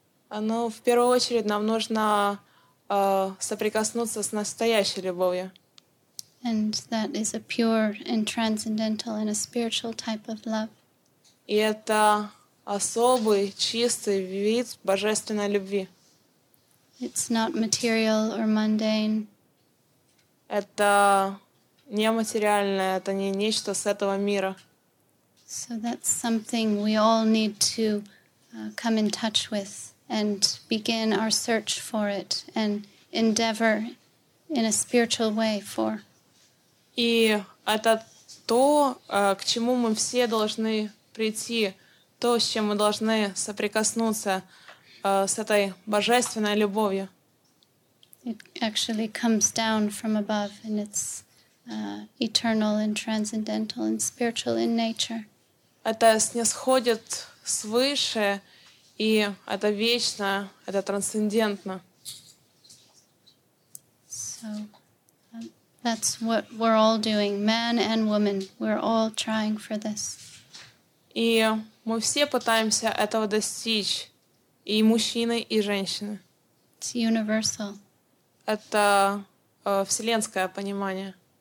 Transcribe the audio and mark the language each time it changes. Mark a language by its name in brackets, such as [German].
[Russian] Ну, в первую очередь нам нужно соприкоснуться с настоящей любовью. [English] And that is a pure and transcendental and a spiritual type of love. [Russian] И это особый, чистый вид божественной любви. [English] It's not material or mundane. [Russian] Это нематериальное, это не нечто с этого мира. [English] So that's something we all need to come in touch with and begin our search for it and endeavor in a spiritual way for. [Russian] И это то, к чему мы все должны прийти, то, с чем мы должны соприкоснуться с этой божественной любовью. [English] It actually comes down from above, and it's eternal and transcendental and spiritual in nature. [Russian] Это снисходит свыше, И это вечно, это трансцендентно. [English] So that's what we're all doing, men and women. We're all trying for this. [Russian] И мы все пытаемся этого достичь, и мужчины, и женщины. [English] It's universal. [Russian] Это вселенское понимание.